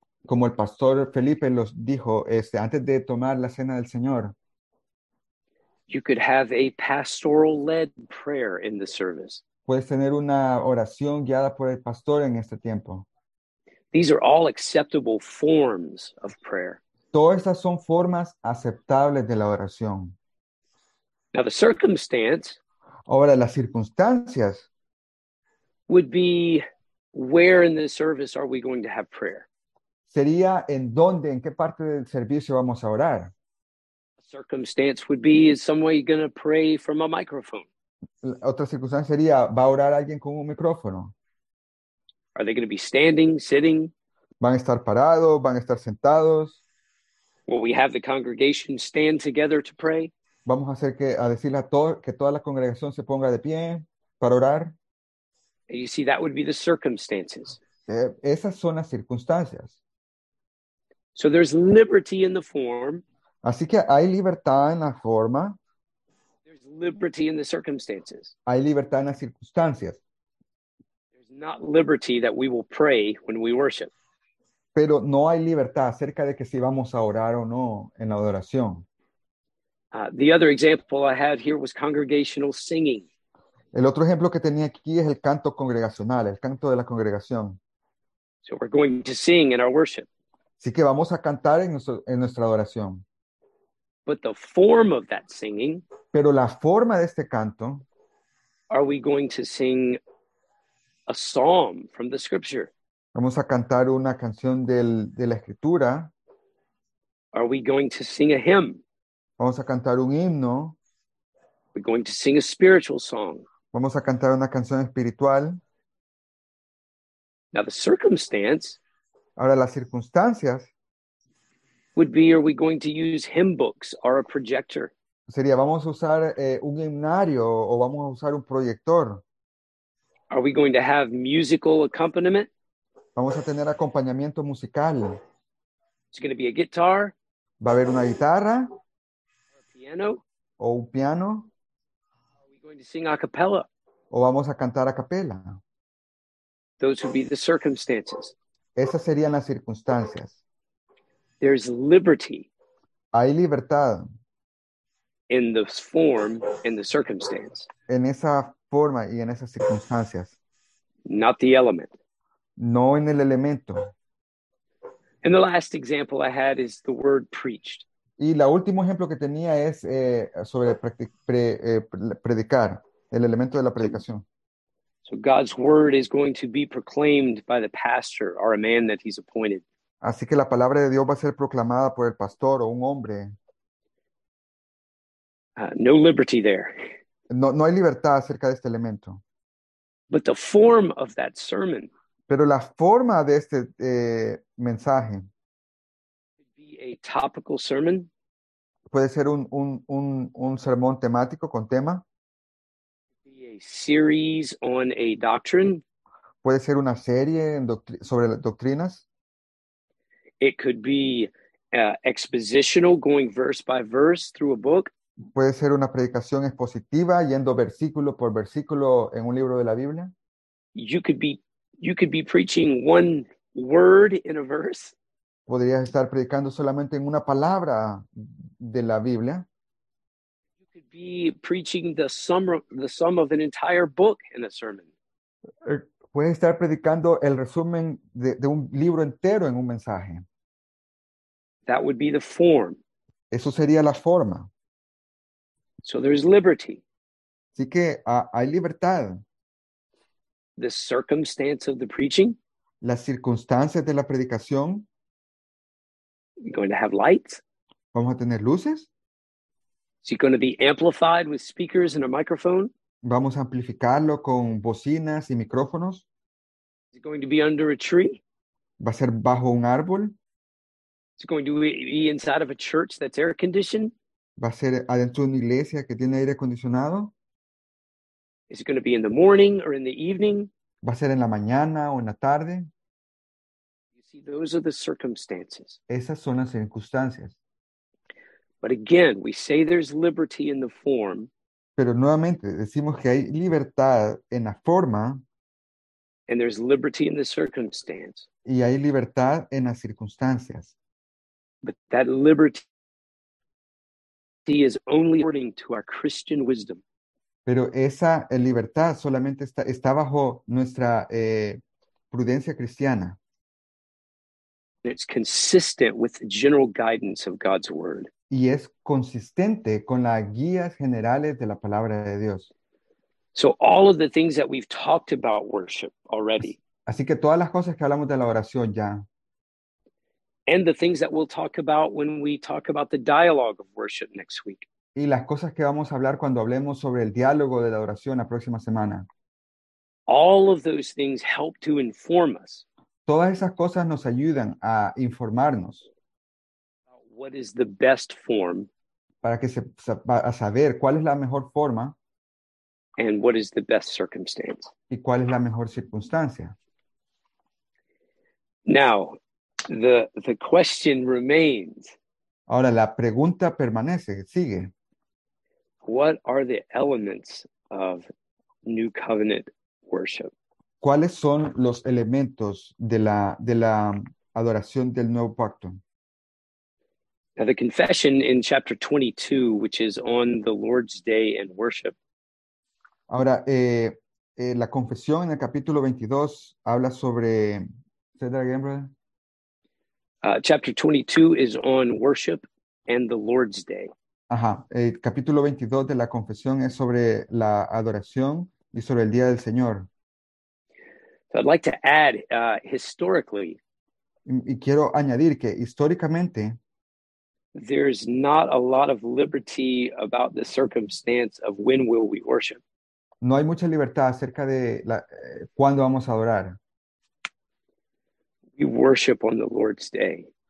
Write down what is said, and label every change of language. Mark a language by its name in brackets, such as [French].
[Spanish] Como el pastor Felipe los dijo, antes de tomar la cena del Señor. [English] You could have a pastoral-led prayer in the service. [Spanish] Puedes tener una oración guiada por el pastor en este tiempo. [English] These are all acceptable forms of prayer. [Spanish] Todas estas son formas aceptables de la oración. [English] Now the circumstance. [Spanish] Ahora las circunstancias. [English] Would be where in the service are we going to have prayer? [Spanish] Sería en dónde, en qué parte del servicio vamos a orar. [English] circumstance would be, is somebody going to pray from a microphone? [Spanish] Otra circunstancia sería, ¿va a orar alguien con un micrófono? [English] Are they going to be standing, sitting? [Spanish] ¿Van a estar parados? ¿Van a estar sentados? [English] Will we have the congregation stand together to pray? [Spanish] ¿Vamos a hacer que, a decirle a todo, que toda la congregación se ponga de pie para orar? [English] You see, that would be the circumstances. [Spanish] Esas son las circunstancias. [English] So there's liberty in the form. [Spanish] Así que hay libertad en la forma. [English] There's liberty in the circumstances. [Spanish] Hay libertad en las circunstancias. [English] There's not liberty that we will pray when we worship. [Spanish] Pero no hay libertad acerca de que si vamos a orar o no en la adoración. [English] The other example I had here was congregational singing. [Spanish] El otro ejemplo que tenía aquí es el canto congregacional, el canto de la congregación. [English] So we're going to sing in our worship. [Spanish] Así que vamos a cantar en nuestra adoración. [English] But the form of that singing, [Spanish] pero la forma de este canto, [English] are we going to sing a psalm from the scripture? [Spanish] Vamos a cantar una canción de la escritura. [English] Are we going to sing a hymn? [Spanish] Vamos a cantar un himno. [English] Are we going to sing a spiritual song? [Spanish] Vamos a cantar una canción espiritual. [English] Now the circumstance, [Spanish] ahora las circunstancias, [English] would be, are we going to use hymn books or a projector? [Spanish] Sería, vamos a usar un himnario o vamos a usar un proyector. [English] Are we going to have musical accompaniment? [Spanish] Vamos a tener acompañamiento musical. [English] It's going to be a guitar. [Spanish] Va a haber una guitarra. [English] Or a piano. [Spanish] O un piano. [English] Are we going to sing a cappella? [Spanish] O vamos a cantar a capela. [English] Those would be the circumstances. [Spanish] Esas serían las circunstancias. [English] There's liberty. [Spanish] Hay libertad. [English] In the form and the circumstance. [Spanish] En esa forma y en esas circunstancias. [English] Not the element. [Spanish] No en el elemento. [English] And the last example I had is the word preached. [Spanish] Y el último ejemplo que tenía es sobre predicar, el elemento de la predicación. [English] So God's word is going to be proclaimed by the pastor or a man that he's appointed. [Spanish] Así que la palabra de Dios va a ser proclamada por el pastor o un hombre. [English] No liberty there. [Spanish] No hay libertad acerca de este elemento. [English] But the form of that sermon. [Spanish] Pero la forma de este mensaje. [English] Could be a topical sermon. [Spanish] Puede ser un sermón temático con tema. [English] A series on a doctrine. [Spanish] Puede ser una serie sobre doctrinas. [English] It could be expositional, going verse by verse through a book. [Spanish] Puede ser una predicación expositiva yendo versículo por versículo en un libro de la Biblia. [English] You could be preaching one word in a verse. [Spanish] Podrías estar predicando solamente en una palabra de la Biblia. [English] Could be preaching the sum of an entire book in a sermon. [Spanish] Puede estar predicando el resumen de un libro entero en un mensaje. [English] That would be the form. [Spanish] Eso sería la forma. [English] So there's liberty. [Spanish] Así que hay libertad. [English] The circumstance of the preaching. [Spanish] Las circunstancias de la predicación. [English] We're going to have lights. [Spanish] Vamos a tener luces. [English] Is it going to be amplified with speakers and a microphone? [Spanish] Vamos a amplificarlo con bocinas y micrófonos. [English] Is it going to be under a tree? [Spanish] Va a ser bajo un árbol. [English] Is it going to be inside of a church that's air conditioned? [Spanish] Va a ser adentro de una iglesia que tiene aire acondicionado. [English] Is it going to be in the morning or in the evening? [Spanish] Va a ser en la mañana o en la tarde. [English] You see, those are the circumstances. [Spanish] Esas son las circunstancias. [English] But again, we say there's liberty in the form. [Spanish] Pero nuevamente decimos que hay libertad en la forma. [English] And there's liberty in the circumstance. [Spanish] Y hay libertad en las circunstancias. [English] But that liberty is only according to our Christian wisdom. [Spanish] Pero esa libertad solamente está bajo nuestra prudencia cristiana. [English] It's consistent with the general guidance of God's word. [Spanish] Y es consistente con las guías generales de la palabra de Dios. [English] So all of the things that we've talked about worship already. [Spanish] Así que todas las cosas que hablamos de la oración ya. [English] And the things that we'll talk about when we talk about the dialogue of worship next week. [Spanish] Y las cosas que vamos a hablar cuando hablemos sobre el diálogo de la oración la próxima semana. [English] All of those things help to inform us. [Spanish] Todas esas cosas nos ayudan a informarnos. [English] What is the best form? [Spanish] Para que se a saber cuál es la mejor forma. [English] And what is the best circumstance? [Spanish] Y cuál es la mejor circunstancia. [English] Now, the question remains. [Spanish] Ahora la pregunta permanece, sigue. [English] What are the elements of New Covenant worship? [Spanish] ¿Cuáles son los elementos de la adoración del Nuevo Pacto? [English] Now the confession in chapter 22, which is on the Lord's Day and worship. [Spanish] Ahora, la confesión en el capítulo 22 habla sobre... [English] Say that again, brother. Chapter 22 is on worship and the Lord's Day. [Spanish] Ajá, el capítulo 22 de la confesión es sobre la adoración y sobre el Día del Señor. [English] So I'd like to add, historically... [Spanish] Y quiero añadir que históricamente... [English] There's not a lot of liberty about the circumstance of when will we worship. [Spanish] No hay mucha libertad acerca de cuándo vamos a adorar. [English] We worship on the Lord's Day.